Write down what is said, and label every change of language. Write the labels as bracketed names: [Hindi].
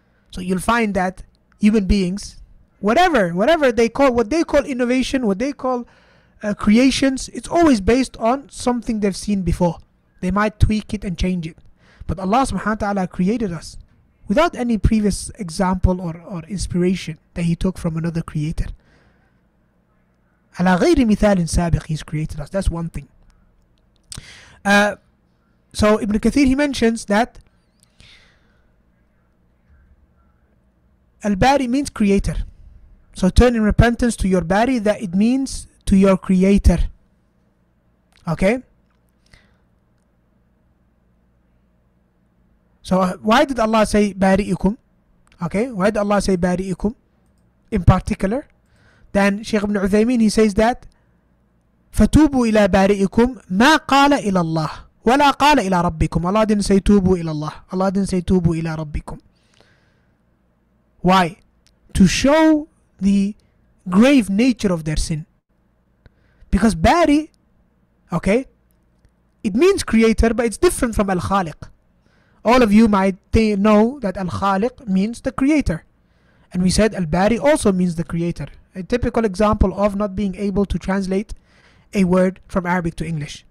[English] So you'll find that human beings, whatever they call innovation, what they call creations, it's always based on something they've seen before. They might tweak it and change it. But Allah subhanahu wa ta'ala created us without any previous example or inspiration that He took from another creator. [Arabic] عَلَى غَيْرِ مِثَالٍ سَابِقٍ [English] He's created us. That's one thing. So Ibn Kathir, he mentions that Al-Bari means creator. So turn in repentance to your Bari, that it means to your creator. Okay? So why did Allah say Bari'ikum? Okay, why did Allah say Bari'ikum in particular? Then Shaykh Ibn Uthaymeen, he says that [Arabic] فَتُوبُوا إِلَىٰ بَارِئِكُمْ مَا قَالَ إِلَىٰ اللَّهِ وَلَا قَالَ إِلَىٰ رَبِّكُمْ [English] Allah didn't say [Arabic] تُوبُوا إِلَىٰ اللَّهِ Allah didn't say تُوبُوا إِلَىٰ رَبِّكُمْ [English] Why? To show the grave nature of their sin. Because Bari, okay, it means creator, but it's different from Al-Khaliq. All of you might know that Al-Khaliq means the creator. And we said Al-Bari also means the creator. A typical example of not being able to translate a word from Arabic to English.